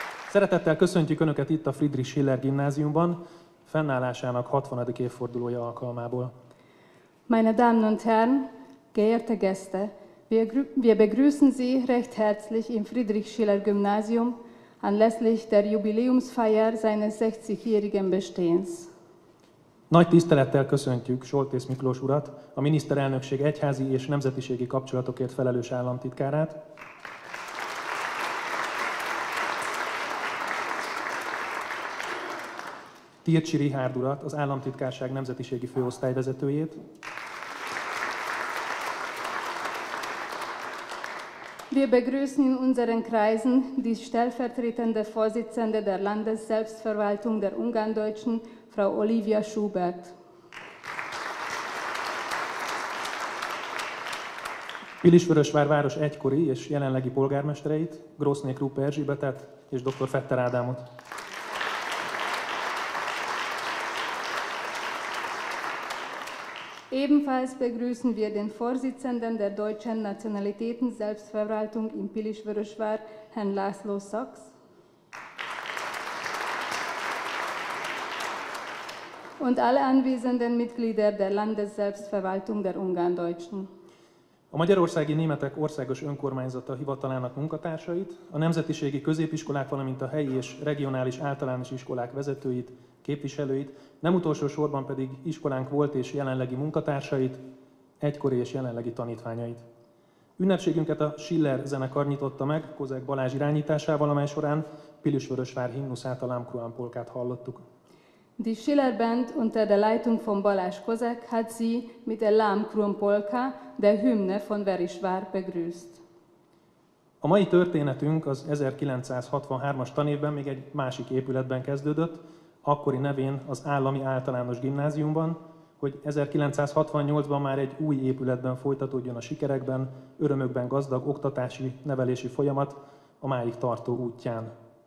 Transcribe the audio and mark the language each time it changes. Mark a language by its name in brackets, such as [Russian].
[Hungarian] Szeretettel köszöntjük Önöket itt a Friedrich Schiller gimnáziumban, fennállásának 60. évfordulója alkalmából. [German] Meine Damen und Herren, geehrte Gäste, wir begrüßen Sie recht herzlich im Friedrich Schiller Gymnasium anlässlich der Jubiläumsfeier seines 60-jährigen Bestehens. [Hungarian] Nagy tisztelettel köszöntjük Soltész Miklós urat, a miniszterelnökség egyházi és nemzetiségi kapcsolatokért felelős államtitkárát. Tircsi Richárd urat, az államtitkárság nemzetiségi főosztályvezetőjét. [German] Wir begrüßen in unseren Kreisen die stellvertretende Vorsitzende der Landesselbstverwaltung der Ungarndeutschen, Frau Olivia Schubert. [Hungarian] Pilisvörösvár város egykori és jelenlegi polgármestereit, Grossné Krupe Erzsébetet és Dr. Fetter Ádámot. [German] Ebenfalls begrüßen wir den Vorsitzenden der Deutschen Nationalitäten Selbstverwaltung in Pilisvörösvár, Herrn László Sachs. Und alle anwesenden Mitglieder der Landesselbstverwaltung der Ungarndeutschen. [Hungarian] A magyarországi németek országos önkormányzata hivatalának munkatársait, a nemzetiségi középiskolák, valamint a helyi és regionális általános iskolák vezetőit, képviselőit, nem utolsó sorban pedig iskolánk volt és jelenlegi munkatársait, egykori és jelenlegi tanítványait. Ünnepségünket a Schiller zenekar nyitotta meg, Kozák Balázs irányításával, amely során Pilisvörösvár himnuszát, a Lámkruán polkát hallottuk. [German] Die Schiller Band unter der Leitung von Balázs Kozák hat sie mit der Lámkruán polka, der Hymne von Verisvár begrüßt. [Hungarian] A mai történetünk az 1963-as tanévben még egy másik épületben kezdődött, akkori nevén az Állami Általános Gimnáziumban, hogy 1968-ban már egy új épületben folytatódjon a sikerekben, örömökben gazdag oktatási, nevelési folyamat a máig tartó útján.